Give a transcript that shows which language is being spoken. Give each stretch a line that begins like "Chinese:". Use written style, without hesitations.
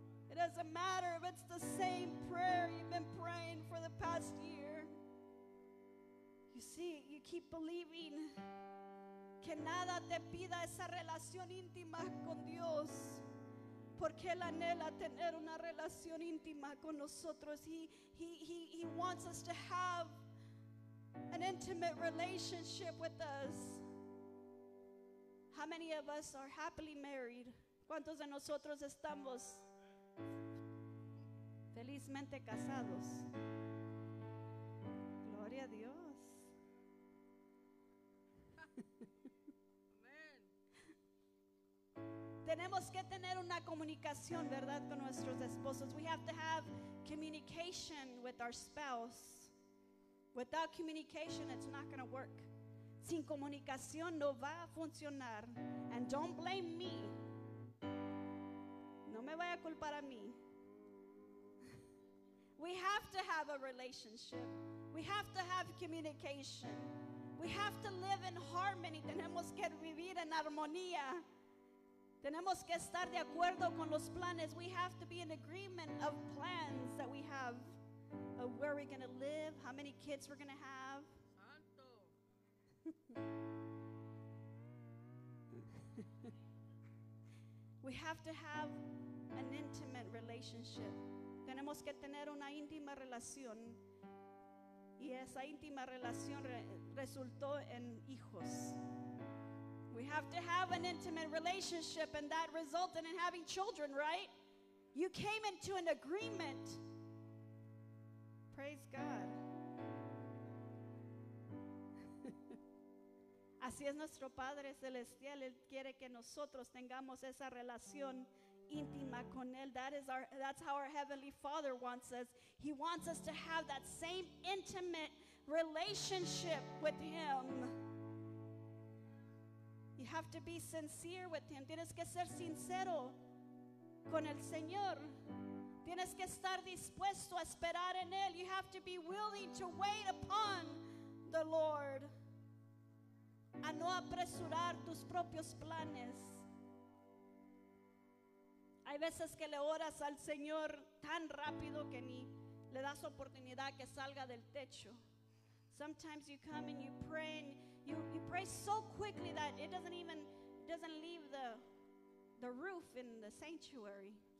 English: It doesn't matter if it's the same prayer you've been praying for the past year. You see, you keep believing.
Spanish: Que nada te pida esa relación íntima con Dios. Porque él anhela tener una relación íntima con nosotros.
English: He wants us to have an intimate relationship with us. How many of us are happily married?
Spanish: ¿Cuántos de nosotros estamos felizmente casados? Gloria a Dios.
English: Amen.
Spanish: Tenemos que tener una comunicación, ¿verdad?, con nuestros esposos.
English: We have to have communication with our spouse. Without communication, it's not going to work.
Spanish: Sin comunicación no va a funcionar.
English: And don't blame me.
Spanish: No me vaya a culpar a mí.
English: We have to have a relationship. We have to have communication. We have to live in harmony.
Spanish: Tenemos que vivir en armonía. Tenemos que estar de acuerdo con los planes.
English: We have to be in agreement of plans that we have, of where we're going to live, how many kids we're going to have.
Spanish: Santo.
English: We have to have an intimate relationship.
Spanish: Tenemos que tener una íntima relación, y esa íntima relación resultó en hijos.
English: We have to have an intimate relationship, and that resulted in having children, right? You came into an agreement. Praise God.
Spanish: Así es nuestro Padre Celestial. Él quiere que nosotros tengamos esa relación íntima con él.
English: That's how our Heavenly Father wants us. He wants us to have that same intimate relationship with him. You have to be sincere with him.
Spanish: Tienes que ser sincero con el Señor. Tienes que estar dispuesto a esperar en él.
English: You have to be willing to wait upon the Lord.
Spanish: A no apresurar tus propios planes. Hay veces que le oras al Señor tan rápido que ni le das oportunidad que salga del techo.
English: Sometimes you come and you pray, and you pray so quickly that it doesn't leave the roof in the sanctuary.